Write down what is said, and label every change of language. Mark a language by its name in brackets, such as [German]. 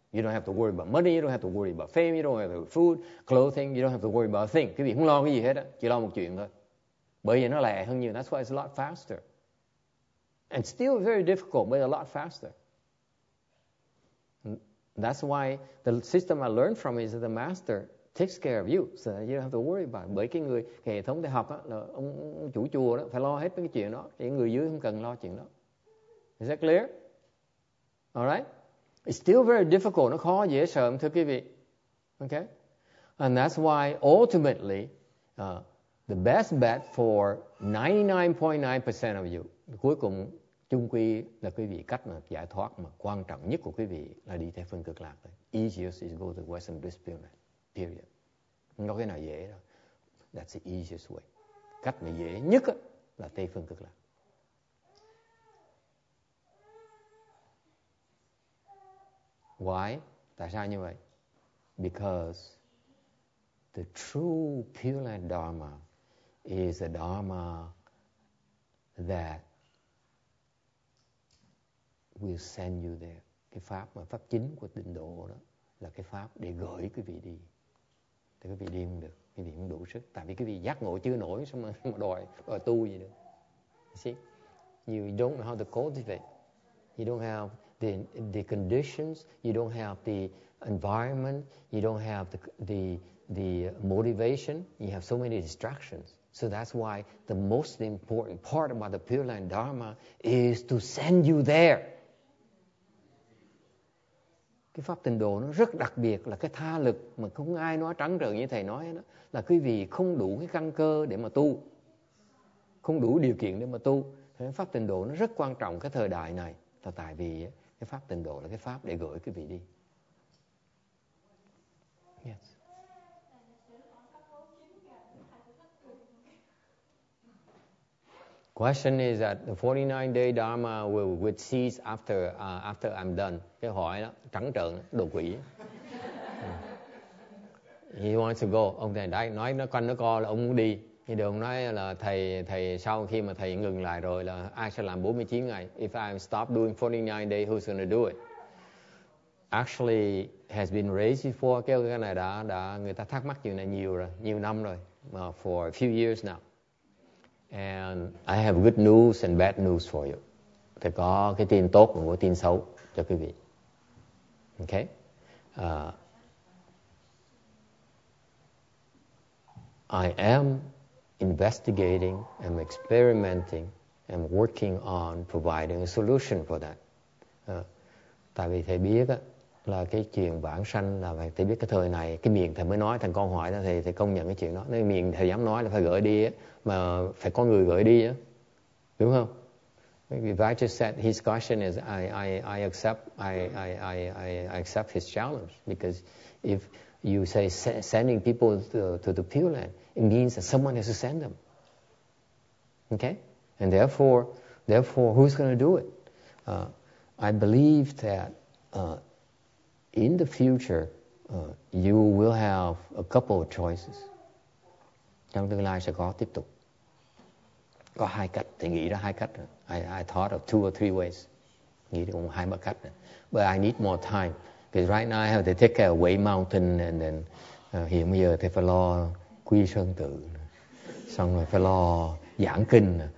[English] You don't have to worry about money. You don't have to worry about fame. You don't have to worry about food, clothing. You don't have to worry about a thing. [Vietnamese] Quý vị không lo cái gì hết á, chỉ lo một chuyện thôi. Bởi vì nó lẹ hơn nhiều. [English] That's why it's a lot faster. And still very difficult, but a lot faster. And that's why the system I learned from is that the master takes care of you, so you don't have to worry about it. [Vietnamese] Bởi cái người cái hệ thống đại học đó, là ông chủ chùa đó phải lo hết cái chuyện đó, cái người dưới không cần lo chuyện đó. [English] Is that clear? All right. It's still very difficult. [Vietnamese] Nó khó dễ sợ, thưa quý vị. Okay. [English] And that's why ultimately, the best bet for 99.9% of you. [Vietnamese] Cuối cùng, chung quy là quý vị cách mà giải thoát mà quan trọng nhất của quý vị là đi theo phương cực lạc. [English] Easiest is go to Western discipline. Period. [Vietnamese] Không có cái nào dễ đâu. [English] That's the easiest way. [Vietnamese] Cách mà dễ nhất là Tây phương cực lạc. [English] Why? [Vietnamese] Tại sao như vậy? [English] Because the true Pure Land Dharma is a Dharma that will send you there. [Vietnamese] Cái pháp mà pháp chính của tịnh độ đó là cái pháp để gửi quý vị đi. Thì quý vị đi không được, quý vị không đủ sức. Tại vì quý vị giác ngộ chưa nổi, sao mà đòi tu gì nữa. [English] See? You don't know how to cultivate. You don't have the conditions. You don't have the environment. You don't have the motivation. You have so many distractions. So that's why the most important part about the Pure Land Dharma is to send you there. [Vietnamese] Cái pháp tịnh độ nó rất đặc biệt là cái tha lực mà không ai nói trắng trợn như thầy nói đó, là quý vị không đủ cái căn cơ để mà tu, không đủ điều kiện để mà tu. Thế pháp tịnh độ nó rất quan trọng cái thời đại này là tại vì cái pháp tịnh độ là cái pháp để gửi quý vị đi. [English] Yes. Question is that the 49 day dharma will cease after after I'm done. [Vietnamese] Cái hỏi đó trắng trợn đồ quỷ. [English] He wants to go. [Vietnamese] Ông thầy đấy nói nó con nó co là ông muốn đi. Thì đường nói là thầy sau khi mà thầy ngừng lại rồi là ai sẽ làm 49 ngày. [English] If I stop doing 49 day, who's gonna do it? Actually has been raised before. [Vietnamese] Cái này đã người ta thắc mắc chuyện này nhiều rồi, nhiều năm rồi. [English] For a few years now. And I have good news and bad news for you. [Vietnamese] Thầy có cái tin tốt và có tin xấu cho quý vị. [English] Okay? I am investigating, I'm experimenting, I'm working on providing a solution for that. [Vietnamese] Tại vì thầy biết á, là cái chuyện vãng sanh là phải, thầy biết cái thời này cái miệng thầy mới nói, thằng con hỏi đó thầy công nhận cái chuyện đó, nên miệng thầy dám nói là phải gửi đi á, mà phải có người gửi đi á, đúng không? [English] Maybe Vajra said his question is I accept his challenge, because if you say sending people to the Pure Land, it means that someone has to send them. Okay, and therefore who's going to do it? I believe that in the future, you will have a couple of choices. [Vietnamese] Trong tương lai sẽ có tiếp tục. Có hai cách, thì nghĩ ra hai cách. [English] I thought of two or three ways. [Vietnamese] Nghĩ ra cũng hai ba cách. [English] But I need more time. Because right now I have to take care of Way Mountain and then [Vietnamese] hiện bây giờ thì phải lo quy sơn tự. Xong rồi phải lo giảng kinh.